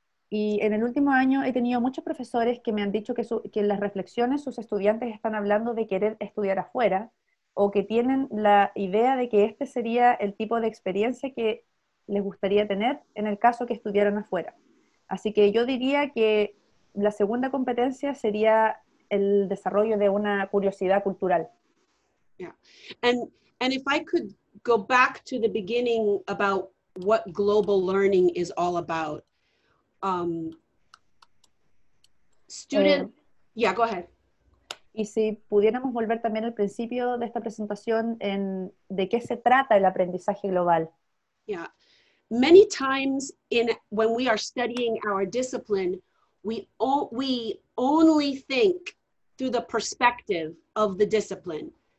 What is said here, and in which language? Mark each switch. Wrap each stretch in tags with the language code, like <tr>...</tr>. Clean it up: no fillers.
<es>Y en el último año he tenido muchos profesores que me han dicho que que en las reflexiones sus estudiantes están hablando de querer estudiar afuera, o que tienen la idea de que este sería el tipo de experiencia que les gustaría tener en el caso que estudiaran afuera. Así que yo diría que la segunda competencia sería el desarrollo de una curiosidad cultural.</es> <en>Yeah. And if I could go back to the beginning about what global learning is all about. Student, yeah, go ahead.</en> <es>Y si pudiéramos volver también al principio de esta presentación en de qué se trata el aprendizaje global.</es> <en>Yeah. Many times in when we are studying our discipline, we only think through the perspective of the discipline.</en>